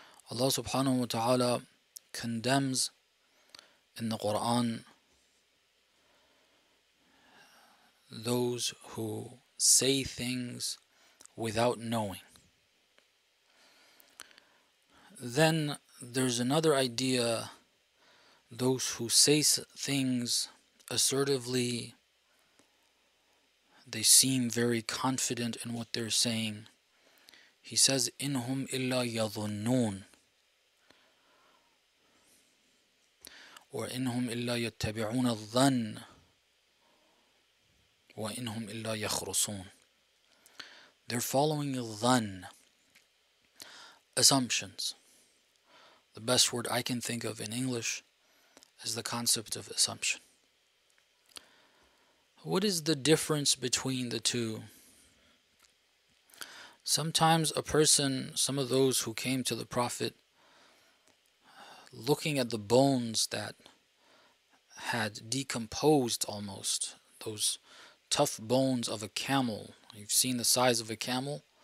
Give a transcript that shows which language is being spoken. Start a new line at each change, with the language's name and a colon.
English: Allah subhanahu wa ta'ala condemns in the Quran those who say things without knowing. Then there's another idea, those who say things assertively, they seem very confident in what they're saying.
Arabic: He says, إِنْهُمْ إِلَّا يَظُنُّونَ or إِنْهُمْ إِلَّا يَتَّبِعُونَ الظَّنَّ وَإِنْهُمْ إِلَّا يَخْرُصُونَ.
English: They're following dhan, assumptions. The best word I can think of in English is the concept of assumption. What is the difference between the two? Sometimes a person, some of those who came to the Prophet, looking at the bones that had decomposed almost, those tough bones of a camel, you've seen the size of a camel.